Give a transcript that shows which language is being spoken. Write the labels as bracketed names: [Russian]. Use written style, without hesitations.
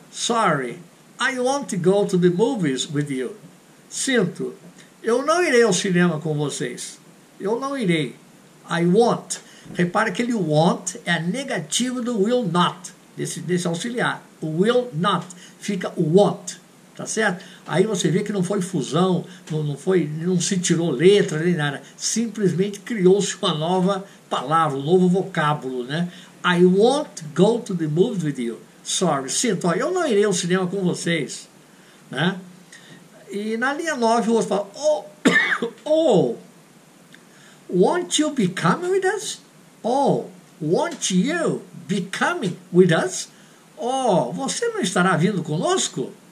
[English] Sorry, I won't go to the movies with you. [Portuguese] Sinto, eu não irei ao cinema com vocês. Eu não irei. [English] I won't. [Portuguese] Repara que ele won't é negativo do will not, desse auxiliar. O will not fica o won't, tá certo? Aí você vê que não foi fusão, não se tirou letra nem nada. Simplesmente criou-se uma nova palavra, um novo vocábulo, né? [English] I won't go to the movies with you. Sorry. [Portuguese] Sinto, ó, eu não irei ao cinema com vocês. Né? E na linha 9, o outro fala, [English] oh, won't you be coming with us? Oh, won't you be coming with us? [Portuguese] Oh, você não estará vindo conosco?